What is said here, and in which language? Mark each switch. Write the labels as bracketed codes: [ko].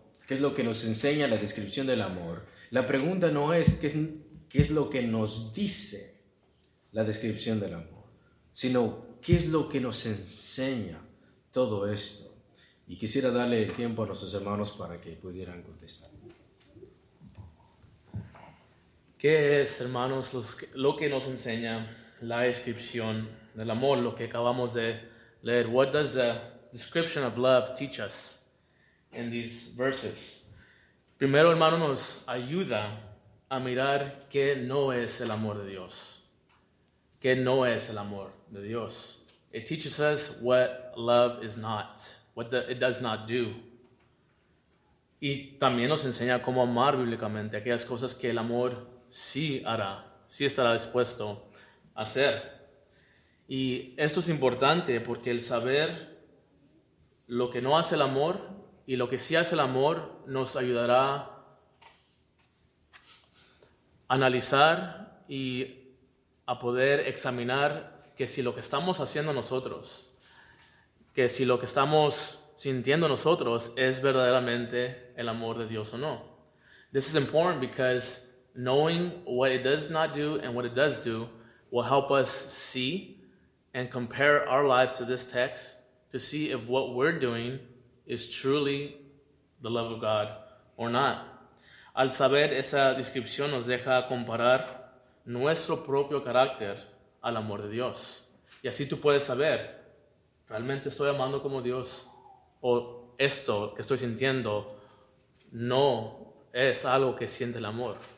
[es] ¿Qué es lo que nos enseña la descripción del amor? La pregunta no es qué es lo que nos dice la descripción del amor, sino qué es lo que nos enseña todo esto. Y quisiera darle el tiempo a nuestros hermanos para que pudieran contestar. ¿Qué es, hermanos, lo que nos enseña la descripción del amor, lo que acabamos de leer? [en] What does the description of love teach us in these verses? [es] Primero, hermano, nos ayuda a mirar qué no es el amor de Dios. Qué no es el amor de Dios. [en] It teaches us what love is not, it does not do. [es] Y también nos enseña cómo amar bíblicamente aquellas cosas que el amor sí hará, sí estará dispuesto a hacer. Y esto es importante porque el saber lo que no hace el amor y lo que sí hace el amor nos ayudará a analizar y a poder examinar que si lo que estamos haciendo nosotros, que si lo que estamos sintiendo nosotros es verdaderamente el amor de Dios o no. [en] This is important because knowing what it does not do and what it does do will help us see and compare our lives to this text to see if what we're doing is truly the love of God or not. [es] Al saber esa descripción nos deja comparar nuestro propio carácter al amor de Dios. Y así tú puedes saber, ¿realmente estoy amando como Dios? ¿O esto que estoy sintiendo no es algo que siente el amor?